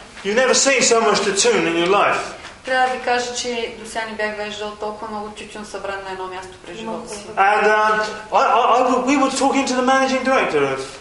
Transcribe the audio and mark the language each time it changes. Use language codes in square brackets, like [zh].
[en] You've never seen so much tutun in your life. [bg] Трябва да ви кажа, че до сега не бях виждал толкова много тютюн събран на едно място през живота си. [en] And we were talking to the managing director of.